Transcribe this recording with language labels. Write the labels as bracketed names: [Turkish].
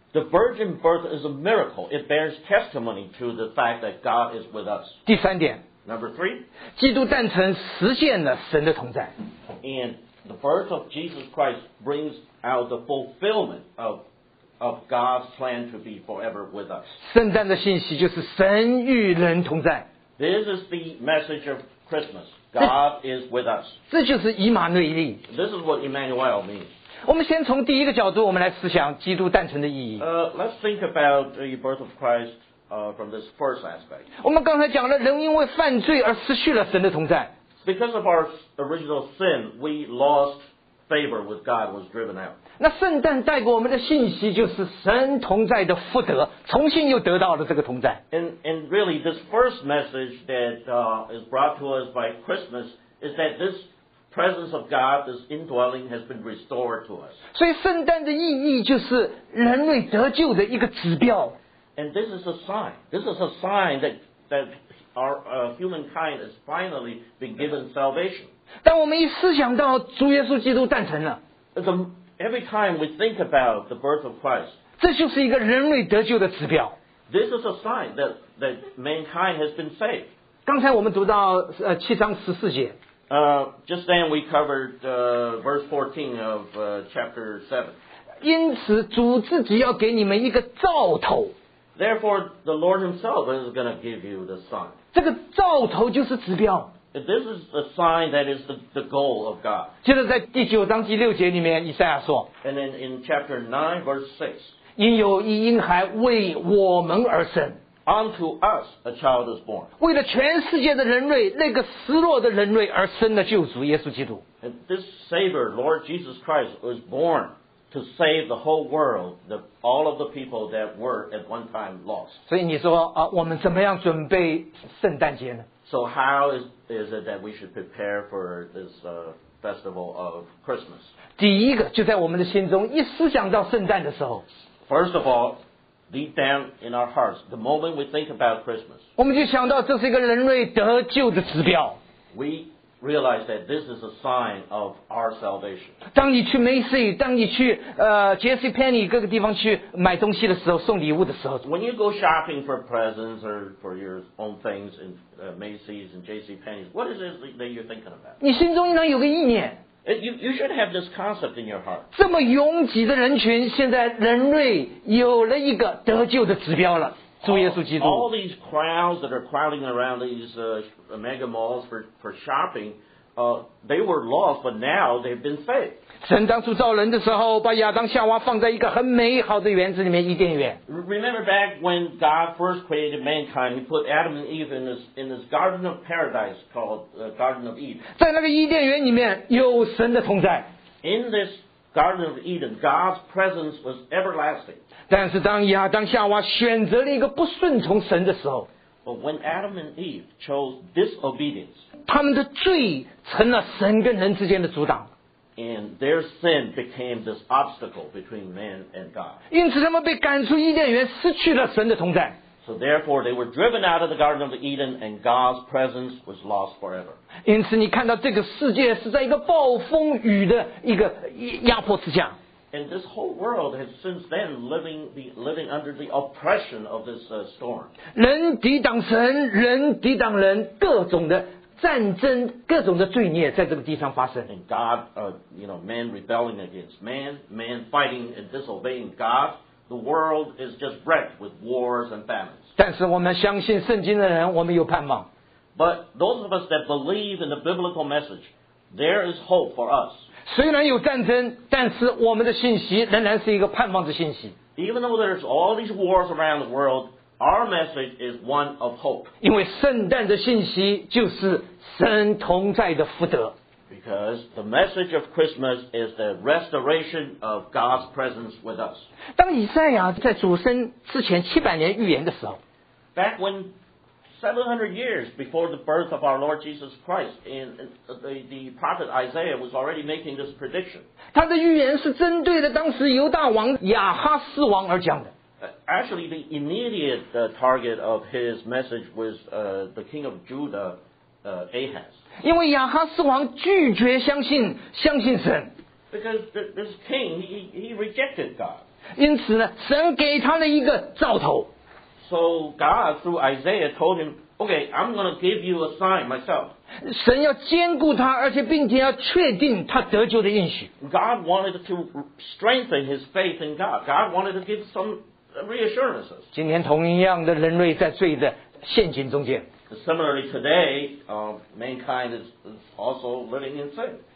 [English] The virgin birth is a miracle. It bears testimony to the fact that God is with us. [Chinese] 第三点 [English] Number three. [Chinese] 基督诞辰实现了神的同在。 [English] And the birth of Jesus Christ brings out the fulfillment of God's plan to be forever with us. [Chinese] 圣诞的信息就是神与人同在。 [English] This is the message of Christmas. God is with us. [Chinese] 这就是以马内利。 [English] This is what Emmanuel means. [Chinese] 我们先从第一个角度，我们来思想基督诞辰的意义。 [English] Let's think about the birth of Christ, from this first aspect. [Chinese] 我们刚才讲了，人因为犯罪而失去了神的同在。 [English] Because of our original sin, we lost favor with God was driven out. [Chinese] 那圣诞带给我们的信息就是神同在的福德，重新又得到了这个同在。 [English] And really, this first message that is brought to us by Christmas is that this presence of God, this indwelling, has been restored to us. [Chinese] 所以圣诞的意义就是人类得救的一个指标。 [English] And this is a sign. This is a sign that our humankind has finally been given salvation. [Chinese] 当我们一思想到主耶稣基督诞辰了 [English] every time we think about the birth of Christ, [Chinese] 这就是一个人类得救的指标。 [English] This is a sign that mankind has been saved. [Chinese] 刚才我们读到七章十四节。 [English] Just then we covered verse 14 of chapter 7. [Chinese] 因此主自己要给你们一个兆头。 [English] Therefore, the Lord Himself is going to give you the sign. [Chinese] 这个兆头就是指标。 [English] This is a sign that is the goal of God. [Chinese] 接着在第九章第六节里面，以赛亚说。 [English] And then in chapter 9, verse 6. [Chinese] 因有一婴孩为我们而生。 [English] Unto us a child is born. [Chinese] 为了全世界的人类，那个失落的人类而生的救主耶稣基督。 [English] And this Savior, Lord Jesus Christ, was born. To save the whole world, all of the people that were at one time lost. [Chinese] 所以你说啊，我们怎么样准备圣诞节呢 [English] ？So how is it that we should prepare for this festival of Christmas? [Chinese] 第一个就在我们的心中，一思想到圣诞的时候。 [English] First of all, deep down in our hearts, the moment we think about Christmas, [Chinese] 我们就想到这是一个人类得救的指标。 [English] We realize that this is a sign of our salvation. [Chinese] 当你去 Macy, 当你去JCPenney 各个地方去买东西的时候，送礼物的时候。 [English] When you go shopping for presents or for your own things in Macy's and JCPenney's, what is it that you're thinking about? [Chinese] 你心中应当有个意念。 [English] You should have this concept in your heart. [Chinese] 这么拥挤的人群，现在人类有了一个得救的指标了。 [English] All these crowds that are crowding around these mega malls for shopping, they were lost, but now they've been saved. [Chinese] 神当初造人的时候，把亚当夏娃放在一个很美好的园子里面，伊甸园。 [English] Remember back when God first created mankind, He put Adam and Eve in this garden of paradise called Garden of Eden. [Chinese] 在那个伊甸园里面有神的同在。 [English] In this Garden of Eden, God's presence was everlasting. [Chinese] 但是当亚当夏娃选择了一个不顺从神的时候 [English] ，But when Adam and Eve chose disobedience, [Chinese] 他们的罪成了神跟人之间的阻挡 [English] ，And their sin became this obstacle between man and God. [Chinese] 因此他们被赶出伊甸园，失去了神的同在。 [English] So therefore, they were driven out of the Garden of Eden, and God's presence was lost forever. [Chinese] 因此，你看到这个世界是在一个暴风雨的一个压迫之下。 [English] And this whole world has since then living under the oppression of this storm. [Chinese] 人抵挡神，人抵挡人，各种的战争，各种的罪孽在这个地上发生。 [English] And God, man rebelling against man fighting and disobeying God. The world is just wrecked with wars and famines. [Chinese] 但是我们相信圣经的人，我们有盼望。 [English] But those of us that believe in the biblical message, there is hope for us. [Chinese] 虽然有战争，但是我们的信息仍然是一个盼望的信息。 [English] Even though there's all these wars around the world, our message is one of hope. [Chinese] 因为圣诞的信息就是神同在的福德。 [English] Because the message of Christmas is the restoration of God's presence with us. [Chinese] 当以赛亚在主生之前七百年预言的时候 [English] ，Back when 700 years before the birth of our Lord Jesus Christ, and the prophet Isaiah was already making this prediction. [Chinese] 他的预言是针对的当时犹大王亚哈斯王而讲的。 [English] Actually, the immediate target of his message was the king of Judah. Ahaz. [Chinese] 因为亚哈斯王拒绝相信神 [English] ，because this king he rejected God. [Chinese] 因此呢，神给他了一个兆头。 [English] So God through Isaiah told him, "Okay, I'm going to give you a sign myself." [Chinese] 神要坚固他，而且并且要确定他得救的应许。 [English] God wanted to strengthen his faith in God. God wanted to give some reassurances. [Chinese] 今天同样的人类在罪的陷阱中间。 [English] Similarly, today, mankind is also living in sin.